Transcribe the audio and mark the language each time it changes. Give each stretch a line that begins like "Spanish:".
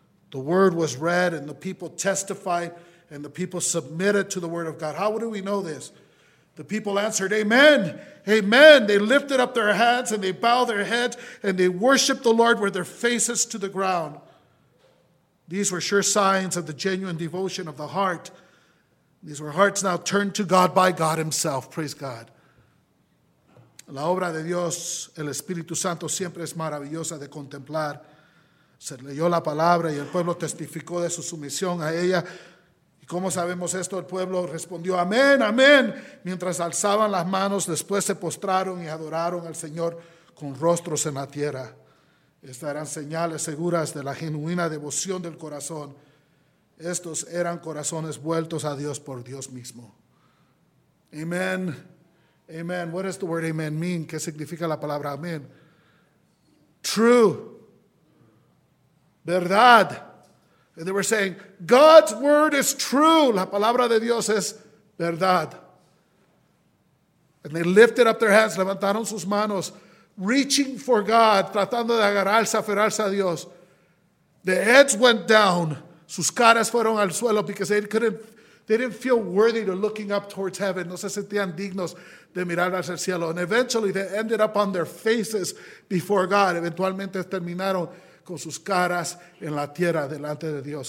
English: The word was read and the people testified and the people submitted to the word of God. How do we know this? The people answered, amen, amen. They lifted up their hands and they bowed their heads and they worshiped the Lord with their faces to the ground. These were sure signs of the genuine devotion of the heart. These were hearts now turned to God by God himself. Praise God.
Spanish: La obra de Dios, el Espíritu Santo, siempre es maravillosa de contemplar. Se leyó la palabra y el pueblo testificó de su sumisión a ella. ¿Y cómo sabemos esto? El pueblo respondió, amén, amén, mientras alzaban las manos, después se postraron y adoraron al Señor con rostros en la tierra. Estas eran señales seguras de la genuina devoción del corazón. Estos eran corazones vueltos a Dios por Dios mismo. Amén, amén.
English: What does the word amen mean?
Spanish: ¿Qué significa la palabra amén?
English: True.
Spanish: Verdad.
English: And they were saying, God's word is true.
Spanish: La palabra de Dios es verdad.
English: And they lifted up their hands,
Spanish: levantaron sus manos,
English: reaching for God,
Spanish: tratando de agarrarse, aferrarse a Dios.
English: Their heads went down.
Spanish: Sus caras fueron al suelo
English: because they didn't feel worthy to looking up towards heaven.
Spanish: No se sentían dignos de mirar hacia el cielo.
English: And eventually they ended up on their faces before God.
Spanish: Eventualmente terminaron con sus caras en la tierra delante de Dios.